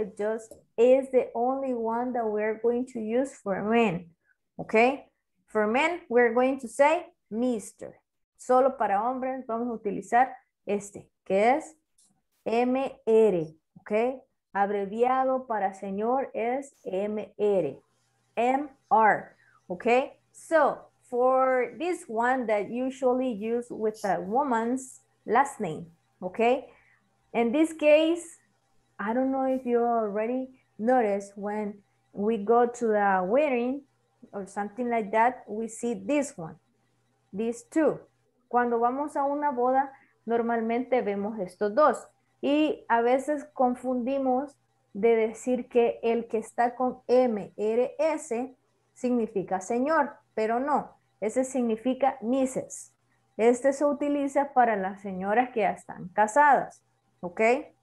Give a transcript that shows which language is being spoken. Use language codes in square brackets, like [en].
[en] It just is the only one that we're going to use for men, ¿ok? For men, we're going to say Mr. [es] Solo para hombres vamos a utilizar este, que es MR, ¿ok? Abreviado para señor es MR, MR, ¿ok? [en] So, for this one that usually used with a woman's last name, ¿ok? In this case, I don't know if you already noticed when we go to the wedding or something like that, we see this one, these two. [es] Cuando vamos a una boda, normalmente vemos estos dos. Y a veces confundimos de decir que el que está con MRS significa señor, pero no. Ese significa Mrs. Este se utiliza para las señoras que ya están casadas, ¿ok?